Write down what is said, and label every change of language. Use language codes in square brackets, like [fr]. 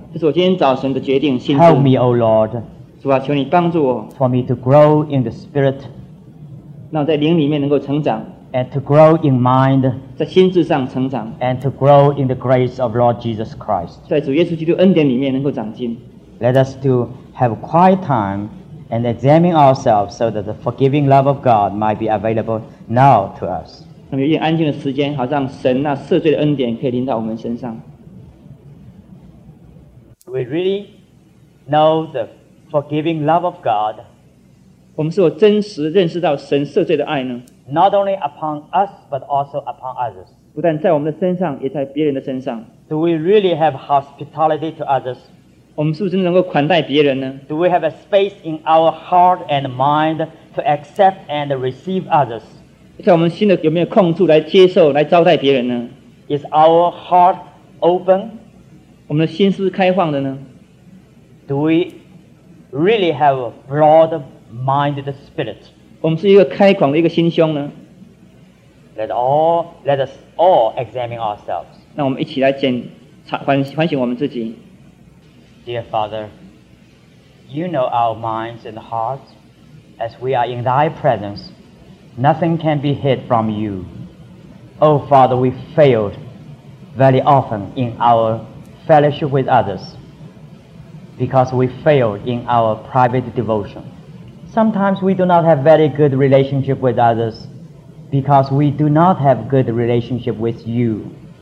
[zh] 这是我今天早晨的决定。 [en] Help me, O Lord. [zh] 主啊，求你帮助我。 [en] For me to grow in the spirit. [zh] 让我在灵里面能够成长。 [en] And to grow in mind, [zh] 在心智上成长 [en] and to grow in the grace of Lord Jesus Christ. [zh] 在主耶稣基督恩典里面能够长进 [en] Let us to have quiet time and examine ourselves so that the forgiving love of God might be available now to us. [zh] 那么有一点安静的时间，好让神那赦罪的恩典可以临到我们身上 [en] We really know the forgiving love of God. [zh] 我们是否真实认识到神赦罪的爱呢？ [en] Not only upon us, but also upon others. [zh] 不但在我们的身上，也在别人的身上。 [en] Do we really have hospitality to others? [zh] 我们是不是真的能够款待别人呢 [en] ？Do we have a space in our heart and mind to accept and receive others? [zh] 在我们心里有没有空处来接受、来招待别人呢 [en] ？Is our heart open? [zh] 我们的心是不是开放的呢 [en] ？Do we really have a broad-minded spirit? [zh] 我们是一个开广的一个心胸呢 [en] let us all examine ourselves [zh] 让我们一起来检查 反省我们自己 [en] Dear Father You know our minds and hearts As we are in thy presence Nothing can be hid from you Oh Father we failed Very often in our fellowship with others Because we failed in our private devotionSometimes we do not have very good relationship with others because we do not have good relationship with you.